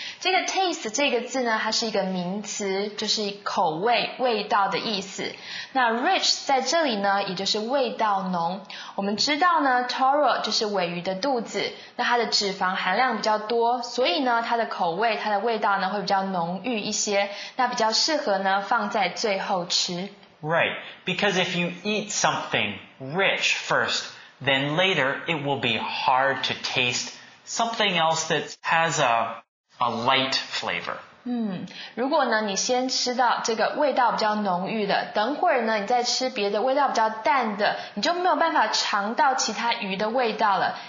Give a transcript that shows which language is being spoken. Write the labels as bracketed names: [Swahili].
[Chinese] 这个 taste 这个字呢它是一个名词就是口味味道的意思那 rich 在这里呢也就是味道浓我们知道呢 Toro 就是尾鱼的肚子那它的脂肪含量比较多所以呢它的口味它的味道呢会比较浓郁一些那比较适合呢放在最后吃 [English] Right, because if you eat something rich first then later it will be hard to taste something else that has a light flavor. [Chinese] 如果呢你先吃到这个味道比较浓郁的等会儿呢你再吃别的味道比较淡的你就没有办法尝到其他鱼的味道了。